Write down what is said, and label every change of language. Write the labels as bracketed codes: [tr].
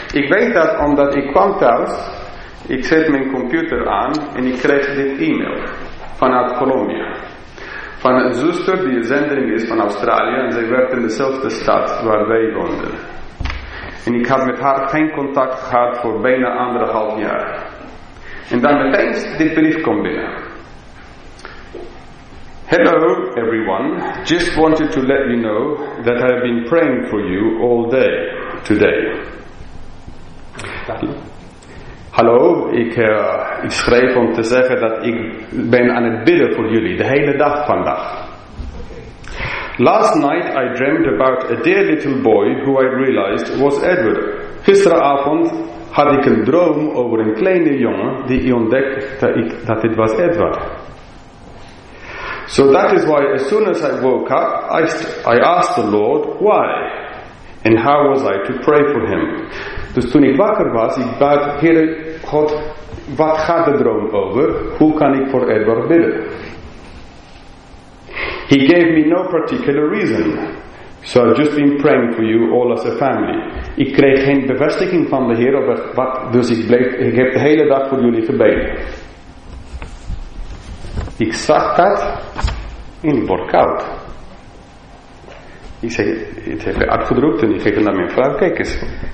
[nl] Ik weet dat omdat ik kwam thuis, ik zet mijn computer aan en ik kreeg dit e-mail vanuit Colombia. van een zuster die een zendeling is van Australië en zij werkt in dezelfde stad waar wij woonden. En ik had met haar geen contact gehad voor bijna anderhalf jaar. En dan meteen dit brief komt binnen. [en] Hello everyone, just wanted to let you know that I have been praying for you all day today. [nl] Hallo, ik schreef om te zeggen dat ik ben aan het bidden voor jullie de hele dag vandaag. [en] Last night I dreamt about a dear little boy who I realized was Edward. [nl] Gisteravond had ik een droom over een kleine jongen die ik ontdekte dat het was Edward. [en] So that is why as soon as I woke up, I asked the Lord why and how was I to pray for him. [nl] Dus toen ik wakker was, ik bad, Heere God, wat gaat de droom over? Hoe kan ik voor Edward bidden? [en] He gave me no particular reason. So I've just been praying for you all as a family. [nl] Ik kreeg geen bevestiging van de Heer over wat, dus ik heb de hele dag voor jullie gebeden. Ik zag dat en ik word koud. Ik zeg, het heeft uitgedrukt en ik ging naar mijn vrouw, kijk eens.